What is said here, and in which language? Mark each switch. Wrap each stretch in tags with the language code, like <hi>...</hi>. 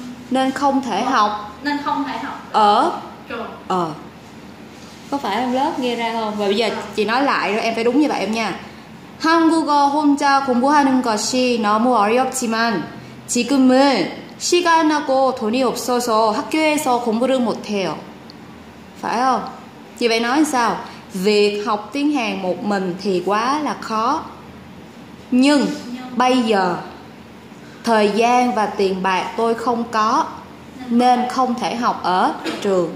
<vi>Nên không thể học ở trường. Có phải em lớp nghe ra không? Và bây giờ chị nói lại rồi em phải đúng như vậy em nha.</vi> <ko>한국어 혼자 공부하는 것이 너무 어렵지만 지금은 시간하고 돈이 없어서 학교에서 공부를 못해요.</ko> <vi>Phải không? Chị phải nói sao? Việc học tiếng Hàn một mình thì quá là khó. Nhưng bây giờ thời gian và tiền bạc tôi không có nên không thể học ở trường.</vi>